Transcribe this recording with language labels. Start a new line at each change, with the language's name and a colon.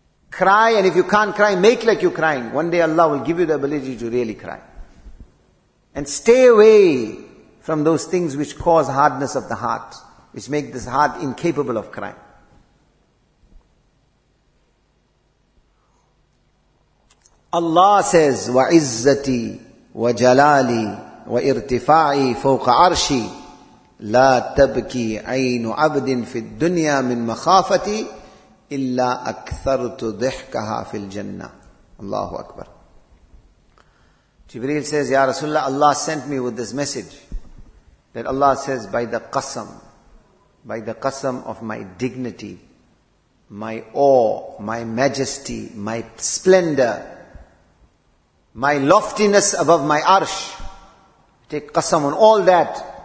English: Cry, and if you can't cry, make like you're crying. One day Allah will give you the ability to really cry. And stay away from those things which cause hardness of the heart, which make this heart incapable of crying. Allah says,
Arabic: وَعِزَّتِي وَجَلَالِي وَإِرْتِفَاعِي فَوْقَ عَرْشِي لَا تَبْكِي عَيْنُ عَبْدٍ فِي الدُّنْيَا مِنْ مَخَافَتِي إِلَّا أَكْثَرْتُ ضِحْكَهَا فِي الْجَنَّةِ. Allahu Akbar.
English: Jibreel says, Ya Rasulullah, Allah sent me with this message. That Allah says, by the qasam of my dignity, my awe, my majesty, my splendor, my loftiness above my arsh, take qasam on all that.